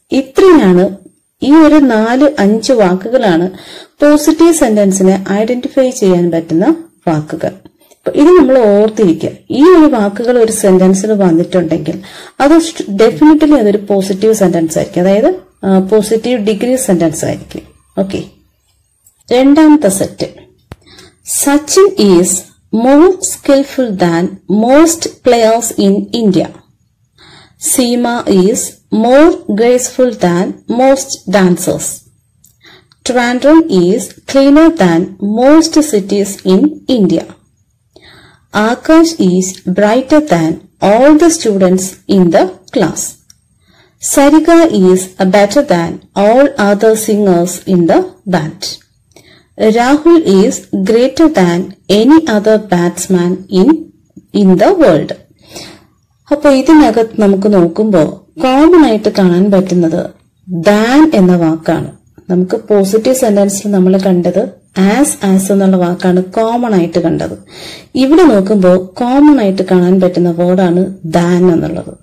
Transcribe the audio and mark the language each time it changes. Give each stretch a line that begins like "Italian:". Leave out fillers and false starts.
Malayalam: ഇത്രയാണ്, ഈ ഒരു നാല് അഞ്ച് വാക്കുകളാണ് പോസിറ്റീവ് സെന്റൻസിനെ ഐഡന്റിഫൈ ചെയ്യാൻ പറ്റുന്ന വാക്കുകൾ. അപ്പൊ ഇത് നമ്മൾ ഓർത്തിരിക്കുക. ഈ ഒരു വാക്കുകൾ ഒരു സെന്റൻസിൽ വന്നിട്ടുണ്ടെങ്കിൽ അത് ഡെഫിനറ്റ്ലി അതൊരു പോസിറ്റീവ് സെന്റൻസ് ആയിരിക്കും, അതായത് പോസിറ്റീവ് ഡിഗ്രി സെന്റൻസ് ആയിരിക്കും. ഓക്കെ, രണ്ടാമത്തെ set,
English: Sachin is more skillful than most players in India. Seema is more graceful than most dancers. Trandrum is cleaner than most cities in India. Akash is brighter than all the students in the class. Sariga is better than all other singers in the band. Rahul is greater than any other batsman in the world.
Malayalam: അപ്പൊ ഇതിനകത്ത് നമുക്ക് നോക്കുമ്പോൾ common ആയിട്ട് കാണാൻ പറ്റുന്നത് than എന്ന വാക്കാണ്. നമുക്ക് പോസിറ്റീവ് സെന്റൻസിൽ നമ്മൾ കണ്ടത് ആസ് എന്നുള്ള വാക്കാണ് കോമൺ ആയിട്ട് കണ്ടത്. ഇവിടെ നോക്കുമ്പോൾ കോമൺ ആയിട്ട് കാണാൻ പറ്റുന്ന വേർഡാണ് ദാൻ എന്നുള്ളത്.